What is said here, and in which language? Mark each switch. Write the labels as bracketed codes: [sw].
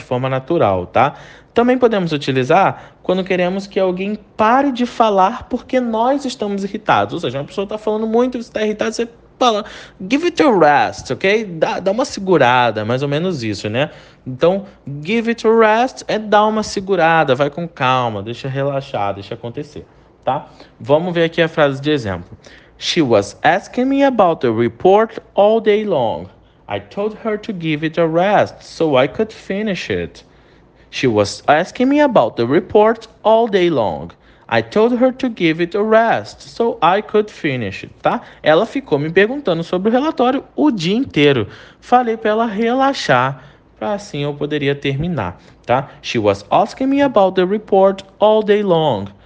[pt] De forma natural, tá? Também podemos utilizar quando queremos que alguém pare de falar porque nós estamos irritados. Ou seja, uma pessoa está falando muito, você está irritado, você fala, [en] give it a rest, [pt] ok? Dá uma segurada, mais ou menos isso, né? Então, [en] give it a rest [pt] é dar uma segurada, vai com calma, deixa relaxar, deixa acontecer. Tá? Vamos ver aqui a frase de exemplo. [en] She was asking me about the report all day long. I told her to give it a rest so I could finish it. She was asking me about the report all day long. I told her to give it a rest so I could finish it. [pt] Tá? Ela ficou me perguntando sobre o relatório o dia inteiro. Falei para ela relaxar para assim eu poderia terminar. Tá? [en] She was asking me about the report all day long.